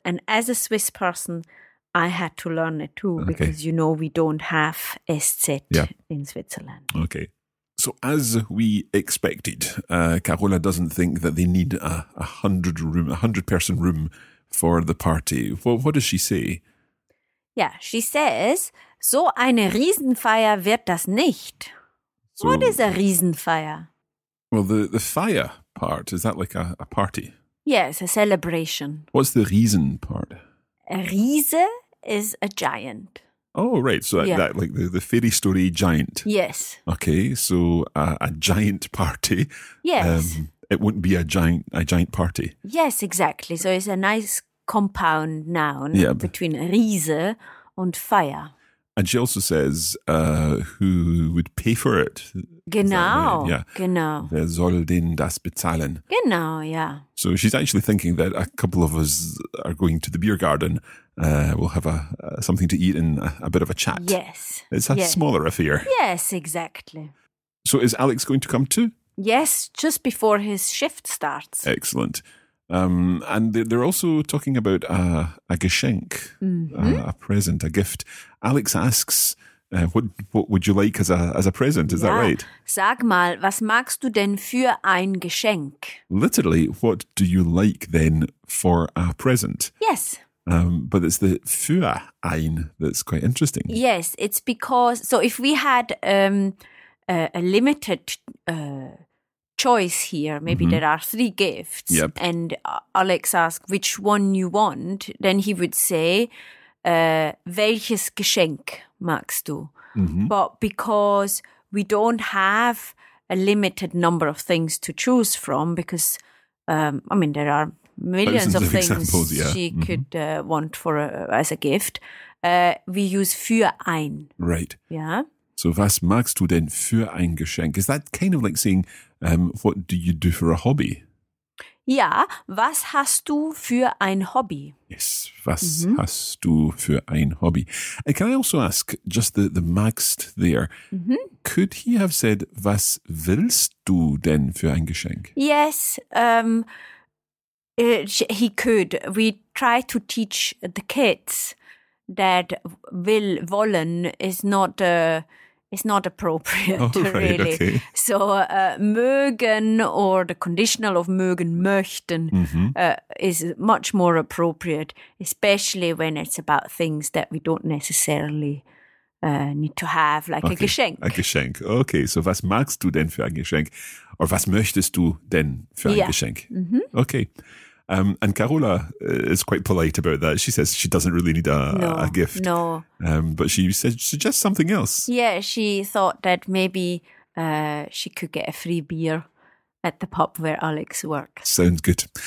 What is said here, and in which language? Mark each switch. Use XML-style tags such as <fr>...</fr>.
<en>And as a Swiss person, I had to learn it too, okay. because you know we don't have SZ yeah. in Switzerland. Okay. So as we expected, Carola doesn't think that they need a hundred person room for the party. Well, what does she say? Yeah, she says,</en> <de>so eine Riesenfeier wird das nicht.</de> <en>So, what is a Riesenfeier? Well, the fire part, is that like a party? Yeah, it's a celebration. What's the Riesen part? A Riese is a giant. Oh, right. So yeah. that like the fairy story giant. Yes. Okay, so a giant party. Yes. It wouldn't be a giant party. Yes, exactly. So it's a nice compound noun yeah. between Riese and Feier. And she also says, who would pay for it?</en> <de>Genau.</de> <en>Right? Yeah.</en> <de>Genau. Wer soll denn das bezahlen? Genau, yeah.</de> <en>So she's actually thinking that a couple of us are going to the beer garden. We'll have something to eat and a bit of a chat. Yes. It's a yes. smaller affair. Yes, exactly. So is Alex going to come too? Yes, just before his shift starts. Excellent. And they're also talking about a Geschenk, mm-hmm. a present, a gift. Alex asks, what would you like as a present? Is yeah. that right?</en> <de>Sag mal, was magst du denn für ein Geschenk?</de> <en>Literally, what do you like then for a present? Yes. But it's the für ein that's quite interesting. Yes, it's because, so if we had a limited choice here. Maybe mm-hmm. there are three gifts. Yep. And Alex asks, which one you want? Then he would say,</en> <de>welches Geschenk magst du? Mm-hmm.</de> <en>But because we don't have a limited number of things to choose from, because, I mean, there are millions of things examples, yeah. she mm-hmm. could want for as a gift, we use für ein. Right. Yeah.</en> <de>So was magst du denn für ein Geschenk?</de> <en>Is that kind of like saying, what do you do for a hobby?</en> <de>Ja, was hast du für ein Hobby? Yes, was mm-hmm. hast du für ein Hobby?</de> <en>And can I also ask, just the magst there, mm-hmm. could he have said,</en> <de>was willst du denn für ein Geschenk?</de> <en>Yes, he could. We try to teach the kids that will, wollen is not a... It's not appropriate, oh, right, really. Okay. So mögen or the conditional of mögen, möchten mm-hmm. Is much more appropriate, especially when it's about things that we don't necessarily need to have, like okay. a Geschenk. A Geschenk. Okay, so</en> <de>was magst du denn für ein Geschenk?</de> <en>Or</en> <de>was möchtest du denn für ein</de> <en>yeah.</en> <de>Geschenk? Mm-hmm.</de> <en>Okay. And Carola is quite polite about that. She says she doesn't really need a gift. No. But she said suggests something else. Yeah, she thought that maybe she could get a free beer at the pub where Alex works. Sounds good.</en>